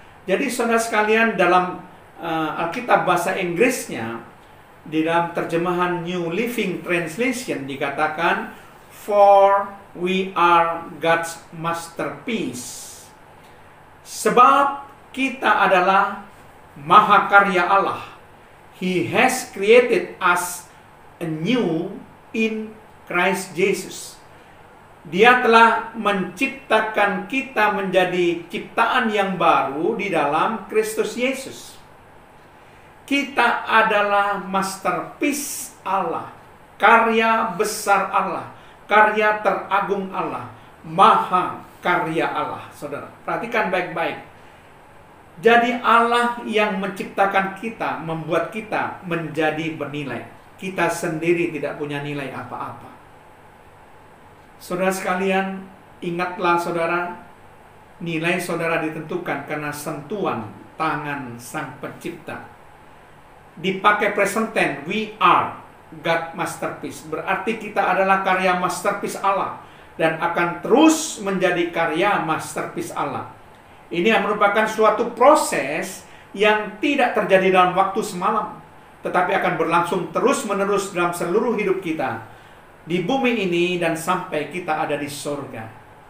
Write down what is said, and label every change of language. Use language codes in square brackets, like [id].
[id] Jadi saudara sekalian, dalam Alkitab bahasa Inggrisnya, Di dalam terjemahan [en] New Living Translation [id] dikatakan, [en] "For we are God's masterpiece." [id] Sebab kita adalah mahakarya Allah. [en] He has created us anew in Christ Jesus. [id] Dia telah menciptakan kita menjadi ciptaan yang baru di dalam Kristus Yesus. Kita adalah masterpiece Allah, karya besar Allah, karya teragung Allah, maha karya Allah, saudara. Perhatikan baik-baik. Jadi Allah yang menciptakan kita, membuat kita menjadi bernilai. Kita sendiri tidak punya nilai apa-apa. Saudara sekalian, ingatlah saudara, nilai saudara ditentukan karena sentuhan tangan Sang Pencipta. Dipakai [en] present tense, we are God masterpiece. [id] Berarti kita adalah karya masterpiece Allah dan akan terus menjadi karya masterpiece Allah. Ini yang merupakan suatu proses yang tidak terjadi dalam waktu semalam, tetapi akan berlangsung terus-menerus dalam seluruh hidup kita di bumi ini dan sampai kita ada di surga.